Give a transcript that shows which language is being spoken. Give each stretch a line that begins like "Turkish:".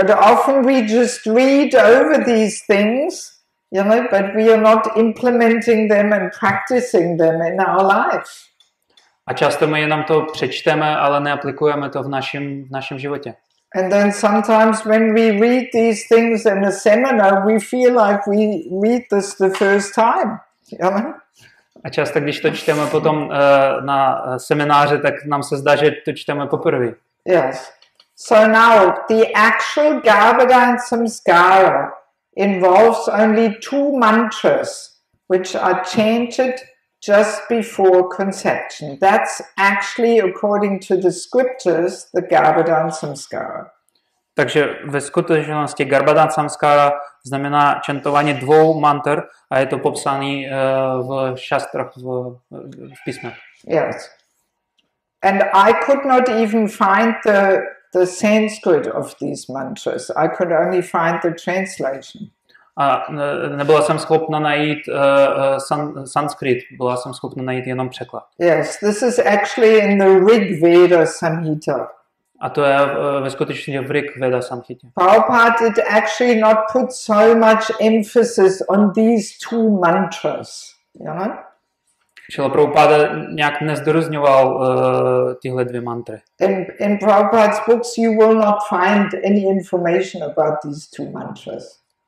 English: But often we just read over these things, you know, but we are not implementing them and practicing them in our life.
Czech: A často my jenom to přečteme, ale neaplikujeme to v našem životě.
English: And then sometimes when we read these things in a seminar, we feel like we read this the first time. You know?
Czech: A často když to čteme potom na semináři, tak nám se zdá, že to čteme poprvé.
English: Yes. So now the actual Gavadan Samskara involves only two mantras which are chanted just before conception. That's actually according to the scriptures, the Gavadan Samskara.
Czech: Takže ve skutečnosti Gavadan Samskara znamená čantování dvou mantr a je to popsané v šastrach v písmech.
English: Yes. And I could not even find the Sanskrit of these mantras. I could only find the translation.
Czech: A nebyla jsem schopna najít sanskrit, byla jsem schopna najít jenom překlad.
English: Yes, this is actually in the Rig Veda Samhita.
Czech: A to je ve skutečnosti v Rig Veda Samhita.
English: Prabhupada did actually not put so much emphasis on these two mantras.
Czech: Čili Prabhupada nějak nezdůrazňoval tyhle dvě mantry.
English: In Prabhupada's books you will not find any information about these two mantras.